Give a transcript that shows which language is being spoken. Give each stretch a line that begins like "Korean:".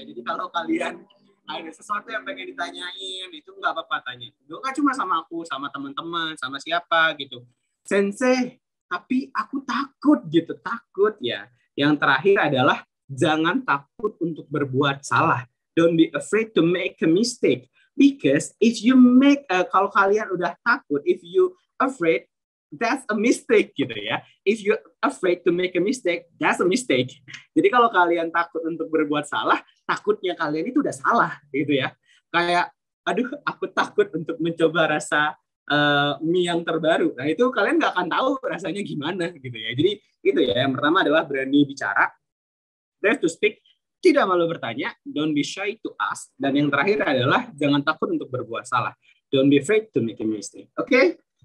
Indonesian: Jadi kalau kalian ada sesuatu yang pengen ditanyain, itu nggak apa-apa tanya, nggak cuma sama aku, sama teman-teman, sama siapa gitu. Sensei tapi aku takut gitu, takut ya. Yang terakhir adalah jangan takut untuk berbuat salah.
English: Don't be afraid to make a mistake. Because if you make
Indonesian: kalau kalian udah takut,
English: if you afraid, that's a mistake
Indonesian: gitu ya.
English: If you afraid to make a mistake, that's a mistake.
Indonesian: Jadi kalau kalian takut untuk berbuat salah, takutnya kalian itu udah salah gitu ya. Kayak aduh aku takut untuk mencoba rasa mie yang terbaru. Nah itu kalian nggak akan tahu rasanya gimana gitu ya. Jadi itu ya, yang pertama adalah berani bicara,
English: brave to speak,
Indonesian: tidak malu bertanya,
English: don't be shy to ask,
Indonesian: dan yang terakhir adalah jangan takut untuk berbuat salah,
English: don't be afraid to make a mistake.
Indonesian: Oke?